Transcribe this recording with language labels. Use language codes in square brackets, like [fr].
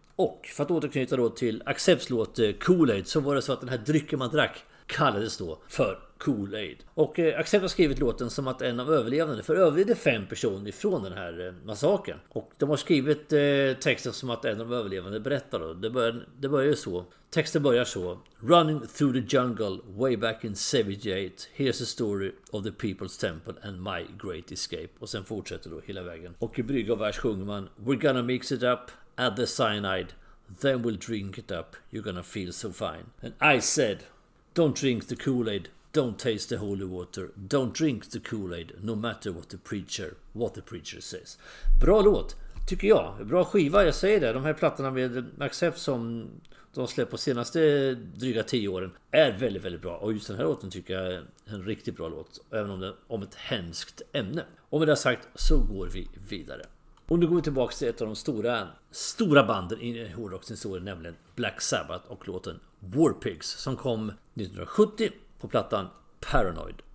[sv] Och för att återknyta då till Accepts låt Kool-Aid, så var det så att den här drycken man drack kallades då för Kool-Aid. Och Accept har skrivit låten som att en av överlevande, för övrigt 5 personer ifrån den här massaken. Och de har skrivit texten som att en av överlevande berättar då. Texten börjar så. [en] Running through the jungle way back in 78, here's the story of the people's temple and my great escape. [sv] Och sen fortsätter då hela vägen. Och i brygga vers sjunger man, [en] we're gonna mix it up, add the cyanide, then we'll drink it up, you're gonna feel so fine. And I said, don't drink the Kool-Aid, don't taste the holy water, don't drink the Kool-Aid, no matter what the preacher says. [sv] Bra låt, tycker jag. Bra skiva, jag säger det. De här plattorna med Accept som de släppte på senaste dryga 10 åren är väldigt, väldigt bra. Och just den här låten tycker jag är en riktigt bra låt, även om det är om ett hemskt ämne. Och med det sagt så går vi vidare. Och nu går vi tillbaka till ett av de stora banden i hårdrockshistorien, nämligen Black Sabbath och låten War Pigs, som kom 1970 på plattan Paranoid.